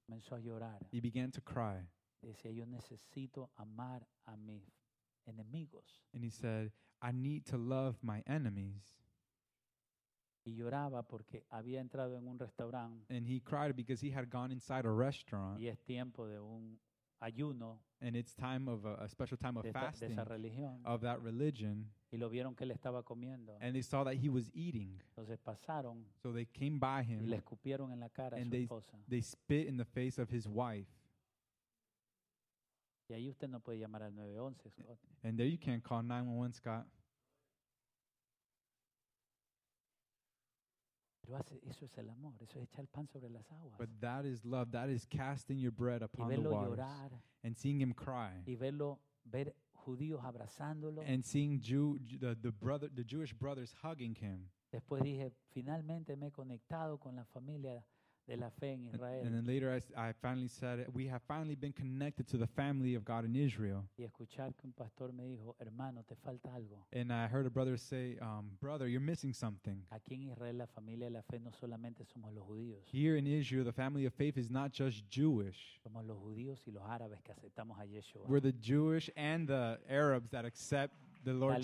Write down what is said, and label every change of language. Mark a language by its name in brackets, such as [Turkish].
[Spanish] Comenzó a llorar. [English] He began to cry. [Spanish] Decía, yo necesito amar a mi enemigos. [English] And he said, I need to love my enemies. [Spanish] Y lloraba porque había entrado en un restaurante. [English] And he cried because he had gone inside a restaurant. [Spanish] Y es tiempo de un ayuno. [English] And it's time of a special time of fasting. [Spanish] De esa religión. [English] Of that religion. [Spanish] Y lo vieron que él estaba comiendo. [English] And they saw that he was eating. [Spanish] Entonces pasaron. [English] So they came by him. [Spanish] Y le escupieron en la cara a su esposa. [English] And they spit in the face of his wife. [Spanish] Y ahí usted no puede llamar al 911, Scott. [English] And there you can't call 911, Scott. [Spanish] Eso es el amor, eso es echar el pan sobre las aguas. [English] But that is love, that is casting your bread upon the waters. [Spanish] Y verlo llorar. [English] And seeing him cry. [Spanish] Y verlo, ver judíos abrazándolo. [English] And seeing the Jewish brothers hugging him. [Spanish] Después dije, finalmente me he conectado con la familia de la fe en Israel. [English] And then later I finally said, we have finally been connected to the family of God in Israel. [Spanish] Y escuchar que un pastor me dijo, hermano, te falta algo. [English] And I heard a brother say, brother, you're missing something. [Spanish] Aquí en Israel, la familia de la fe no solamente somos los judíos. [English] Here in Israel, the family of faith is not just Jewish. [Spanish] Somos los judíos y los árabes que aceptamos a Yeshua. [English] We're the Jewish and the Arabs that accept the Lord